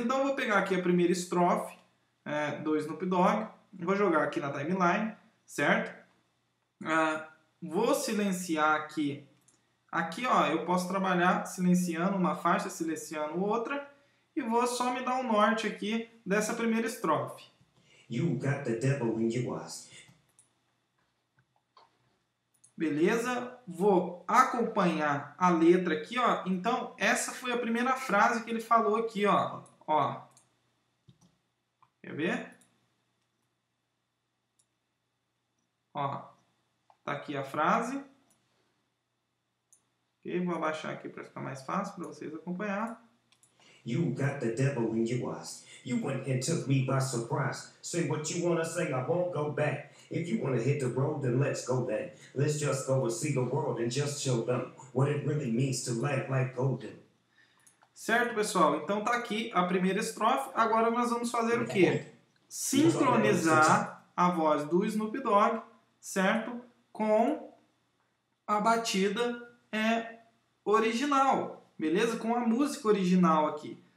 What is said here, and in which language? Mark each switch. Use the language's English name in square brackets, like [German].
[Portuguese] Então eu vou pegar aqui a primeira estrofe do Snoop Dogg, vou jogar aqui na timeline, certo? Vou silenciar aqui. Aqui, ó, eu posso trabalhar silenciando uma faixa, silenciando outra. E vou só me dar um norte aqui dessa primeira estrofe. [English] You got the devil in your eyes. [Portuguese] Beleza? Vou acompanhar a letra aqui, ó. Então, essa foi a primeira frase que ele falou aqui, ó. Ó. Quer ver? Ó. Tá aqui a frase. Ok? Vou abaixar aqui para ficar mais fácil para vocês acompanhar. [English] You got the devil in your eyes. You went and took me by surprise. Say what you wanna say, I won't go back. If you wanna hit the road, then let's go back. Let's just go and see the world and just show them what it really means to live like golden. [Portuguese] Certo, pessoal? Então tá aqui a primeira estrofe. Agora nós vamos fazer o quê? Sincronizar a voz do Snoop Dogg, certo? Com a batida original. Beleza? Com a música original aqui.